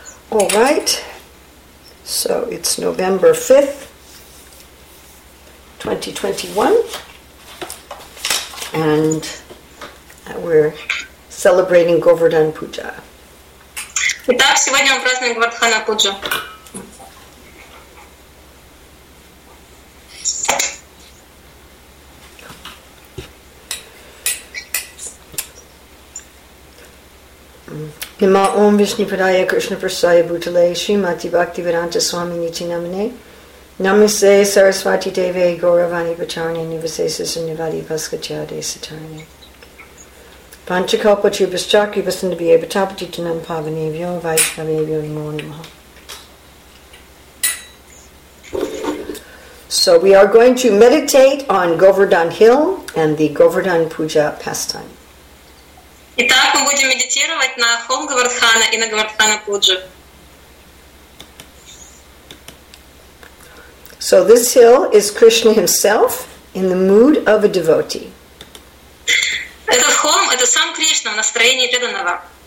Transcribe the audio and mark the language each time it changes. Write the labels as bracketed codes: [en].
[en] All right, so it's November 5th, 2021, and we're celebrating Govardhan Puja. [ru] Да, сегодня мы празднуем Говардхана Пуджу. [sa] Нама Ом Вишну Падая Кришна Прасая Бутале Шри Мати Бхакти Веданта Свами Нити Намане Намасе Сарасвати Деве Гауравани Пачарне Нивасеса Сунивади Паскачаде Сатарне Панчакалпа Чубас Чакри Васандабия Батапати Танам Павани Вьо Вайшнаве Вьо Нимо Нима. [en] So we are going to meditate on Govardhan Hill and the Govardhan Puja pastime. [ru] Итак, мы будем медитировать на холм Говардхана и на Говардхана Пуджу. [en] So this hill is Krishna himself in the mood of a devotee. [ru] Этот холм — это сам Кришна в настроении преданного.